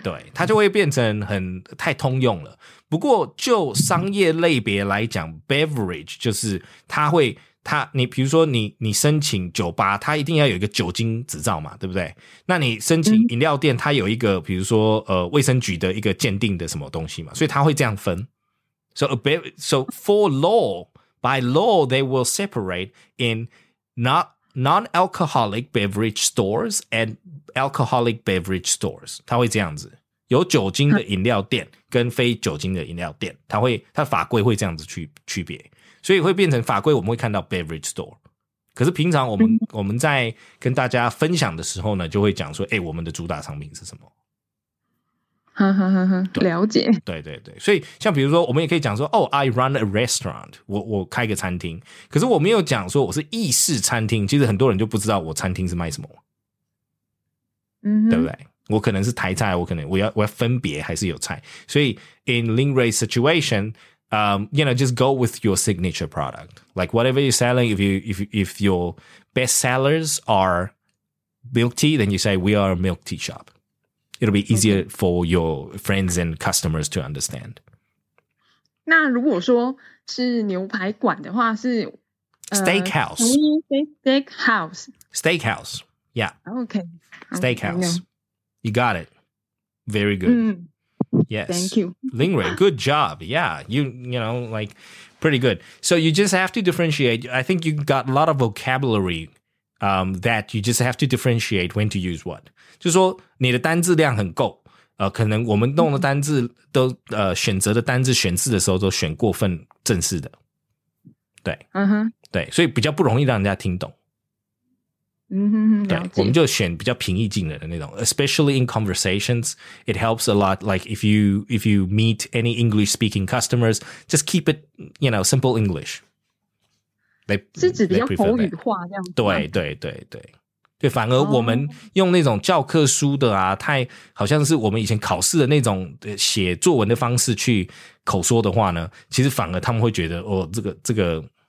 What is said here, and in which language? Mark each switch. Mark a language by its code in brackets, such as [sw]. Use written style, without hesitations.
[zh] 对，它就会变成很太通用了。不过就商业类别来讲 ，beverage 就是它会。他你比如说你申请酒吧他一定要有一个酒精执照嘛，对不对？那你申请饮料店他有一个比如说卫生局的一个鉴定的什么东西嘛，所以他会这样分。 [en] So for law, by law they will separate in non-alcoholic beverage stores and alcoholic beverage stores. [zh] 他会这样子，有酒精的饮料店跟非酒精的饮料店，他会他法规会这样子去区别，所以会变成法规，我们会看到 [en] beverage store。 [zh] 可是平常我们在跟大家分享的时候呢，就会讲说，哎，我们的主打商品是什么？了解。对对对，所以像比如说，我们也可以讲说，哦 ， [en] I run a restaurant， [zh] 我开个餐厅。可是我没有讲说我是意式餐厅，其实很多人就不知道我餐厅是卖什么，嗯，对不对？我可能是台菜，我要分别还是有菜。所以 [en] in Lingray situation。 You know, just go with your signature product. Like whatever you're selling, if your best sellers are milk tea, then you say we are a milk tea shop. It'll be easier for your friends and customers to understand. [zh] 那如果说是牛排馆的话，是 [en] steakhouse. Steakhouse. Yeah. Okay. Steakhouse. You got it. Very good. Yes. Thank you. Lingray, good job. Yeah, you know, like, pretty good. So you just have to differentiate. I think you got a lot of vocabulary that you just have to differentiate when to use what. [zh] 就是说你的单字量很够，可能我们弄的单字都选择的单字选字的时候都选过分正式的。对。嗯哼。对，所以比较不容易让人家听懂。嗯哼哼，对，我们就选比较平易近人的那种。 [en] Especially in conversations, it helps a lot. Like if you meet any English speaking customers, just keep it, you know, simple English. They [zh] 是指比较口语化这样子。对对对对对，反而我们用那种教科书的啊，太好像是我们以前考试的那种写作文的方式去口说的话呢，其实反而他们会觉得哦，这个。